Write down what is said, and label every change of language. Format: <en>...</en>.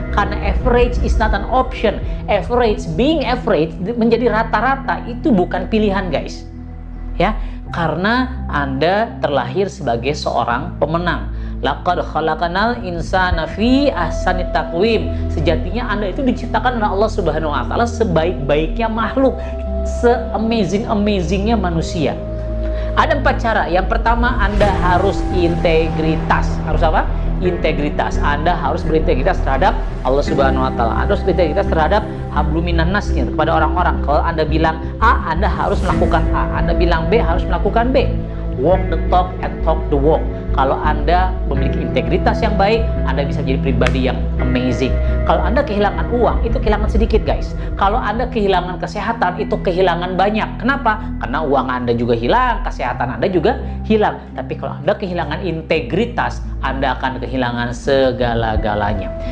<id>Karena</id> <en>average is not an option. Average, being average,</en> <id>menjadi rata-rata itu bukan pilihan guys. Ya, karena Anda terlahir sebagai seorang pemenang.</id> <ar>Laqad khalaqanal insana fi ahsani taqwim.</ar> <id>Sejatinya Anda itu diciptakan oleh Allah Subhanahu wa taala sebaik-baiknya makhluk, se-amazing-amazingnya manusia. Ada 4 cara. Yang pertama, Anda harus integritas. Harus apa? Integritas. Anda harus berintegritas terhadap Allah Subhanahu wa taala. Anda harus berintegritas terhadap hablum minannas, kepada orang-orang. Kalau Anda bilang A, Anda harus melakukan A. Anda bilang B, harus melakukan B.</id> <en>Walk the talk and talk the walk.</en> <id>Kalau Anda memiliki integritas yang baik, Anda bisa jadi pribadi yang amazing. Kalau Anda kehilangan uang, itu kehilangan sedikit guys. Kalau Anda kehilangan kesehatan, itu kehilangan banyak. Kenapa? Karena uang Anda juga hilang, kesehatan Anda juga hilang. Tapi kalau Anda kehilangan integritas, Anda akan kehilangan segala-galanya.</id>